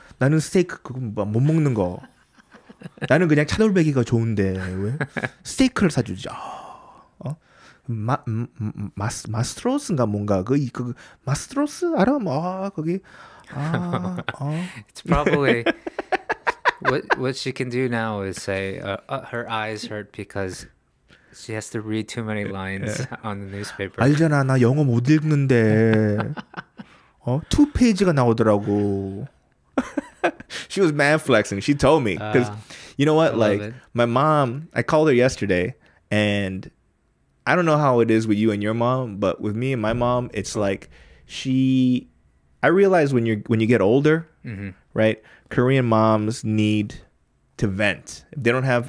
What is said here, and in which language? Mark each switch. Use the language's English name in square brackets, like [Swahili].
[Korean] 나는 스테이크 그거 못 먹는 거. 나는 그냥 차돌박이가 좋은데 왜 스테이크를 사주죠? 어, 마스트로스인가 뭔가 그 마스트로스 알아? 뭐 거기. 아, 어. [English] It's probably what she can do now is say her eyes hurt because she has to read too many lines on the newspaper. [Korean] 알잖아, 나 영어 못 읽는데. 어, 투 페이지가 나오더라고. [English] She was mad flexing. She told me because, you know what? Like my mom, I called her yesterday, and I don't know how it is with you and your mom, but with me and my mom, it's like she. I realize when you get older, right? Korean moms need to vent. They don't have.